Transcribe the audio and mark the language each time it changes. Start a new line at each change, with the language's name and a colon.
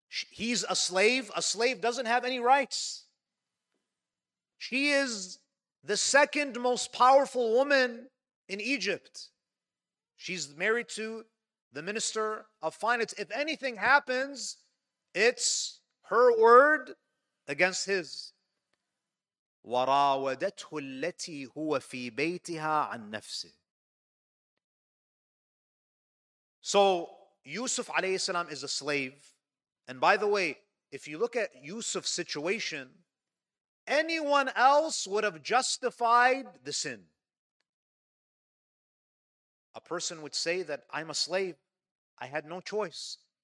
English: He's a slave. A slave doesn't have any rights. She is the second most powerful woman in Egypt. She's married to the minister of finance. If anything happens, it's her word against his.
Arabic: وراودته التي هو في بيتها عن نفسه.
English: So Yusuf alayhi salam is a slave. And by the way, if you look at Yusuf's situation, anyone else would have justified the sin. A person would say that I'm a slave. I had no choice.